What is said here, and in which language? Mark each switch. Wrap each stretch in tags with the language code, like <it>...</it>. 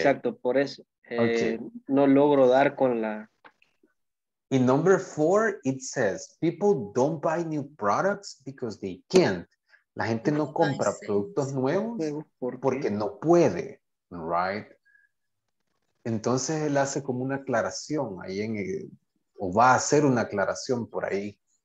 <es>Exacto, por eso no logro dar con la.</es> <en>In number four, it says, people don't buy new products because they can't.</en> <es>La gente no compra productos nuevos porque no puede, right? Entonces, él hace como una aclaración ahí en el, o va a hacer una aclaración por ahí.</es>